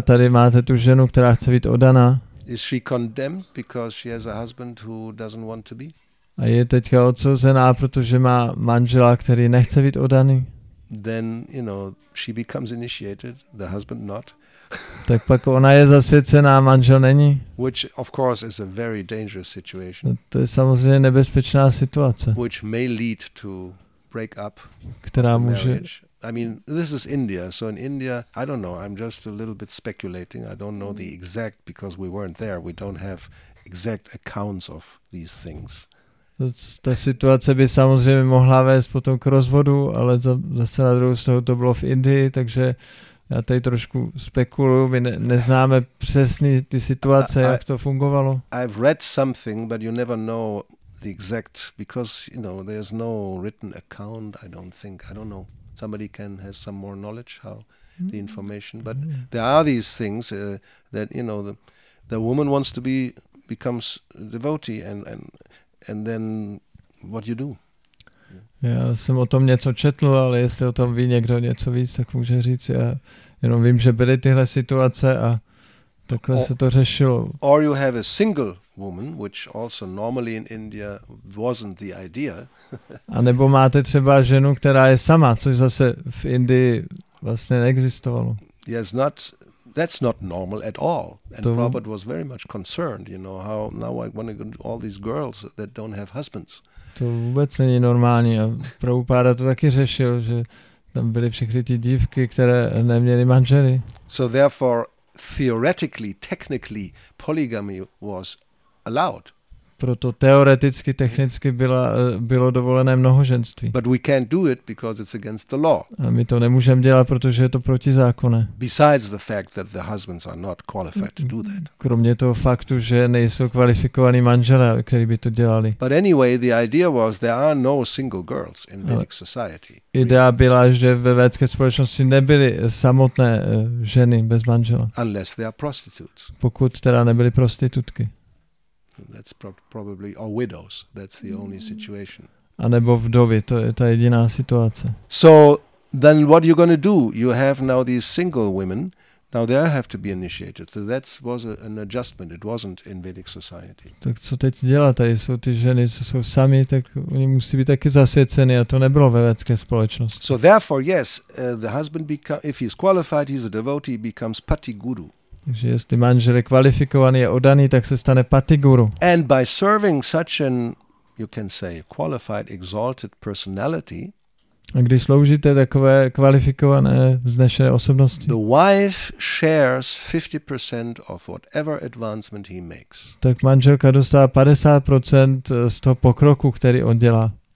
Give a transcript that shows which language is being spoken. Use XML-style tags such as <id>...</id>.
<cs>Tady máte tu ženu, která chce být oddaná.</cs> <en>Is she condemned because she has a husband who doesn't want to be?</en> <cs>A je teďka odsouzená, protože má manžela, který nechce být oddaný?</cs> <en>Then, you know, she becomes initiated, the husband not.</en> <cs>Tak pak ona je zasvěcená, manžel není.</cs> <en>Which of course is a very dangerous situation.</en> <cs>To je samozřejmě nebezpečná situace.</cs> <en>Which may lead to break up.</en> <cs>Která může.</cs> <en>I mean, this is India, so in India, I don't know, I'm just a little bit speculating. I don't know the exact, because we weren't there, we don't have exact accounts of these things.</en> <cs>Ta situace by samozřejmě mohla vést potom k rozvodu, ale zase na druhou stranu to bylo v Indii, takže já tady trošku spekuluju, my neznáme přesně ty situace, jak to fungovalo.</cs> <en>I've read something, but you never know the exact, because, you know, there's no written account, I don't think, I don't know. Somebody can has some more knowledge how the information, but there are these things that, you know, the woman wants to becomes a devotee and then what you do?</en> <cs>Já jsem o tom něco četl, ale jestli o tom ví někdo něco víc, tak může říct. Já jenom vím, že byly tyhle situace a takhle se to řešilo.</cs> <en>Or you have a single woman, which also normally in India wasn't the idea.</en> <cs>A nebo máte třeba ženu, která je sama, což zase v Indii vlastně neexistovalo.</cs> <en>Yes, not, that's not normal at all. And to, Prabhupada was very much concerned, you know, how now I want to go all these girls that don't have husbands.</en> <cs>To vůbec není normální a Prabhupada to taky řešil, že tam byly všechny ty dívky, které neměly manžely.</cs> <en>So therefore, theoretically, technically, polygamy was allowed.</en> <cs>Proto teoreticky, technicky bylo dovolené mnohoženství.</cs> <en>But we can't do it because it's against the law.</en> <cs>A my to nemůžeme dělat, protože je to protizákonné.</cs> <en>Besides the fact that the husbands are not qualified to do that.</en> <cs>Kromě toho faktu, že nejsou kvalifikovaní manželé, kteří by to dělali.</cs> <en>But anyway, the idea was there are no single girls in Vedic society.</en> <cs>Idea byla, že ve vedské společnosti nebyly samotné ženy bez manžela.</cs> <en>Unless they are prostitutes.</en> <cs>Pokud teda nebyly prostitutky.</cs> <en>That's probably or widows. That's the only situation.</en> <cs>A nebo vdovy, to je ta jediná situace.</cs> <en>So then, what are you going to do? You have now these single women. Now they have to be initiated. So that was an adjustment. It wasn't in Vedic society.</en> <cs>Tak co teď dělá? Tady jsou ty ženy, co jsou sami, tak oni musí být taky zasvěceni. A to nebylo ve vedské společnosti.</cs> <en>So therefore, yes, the husband become if he's qualified, he's a devotee, he becomes pati guru.</en> <cs>Takže jestli manžel je kvalifikovaný a oddaný, tak se stane patiguru.</cs> <en>And by serving such an, you can say, qualified, exalted personality,</en> <cs>a když sloužíte takové kvalifikované, vznešené osobnosti,</cs> <en>the wife shares 50% of whatever advancement he makes.</en> <cs>Tak manželka dostává 50% z toho pokroku, který on dělá.</cs>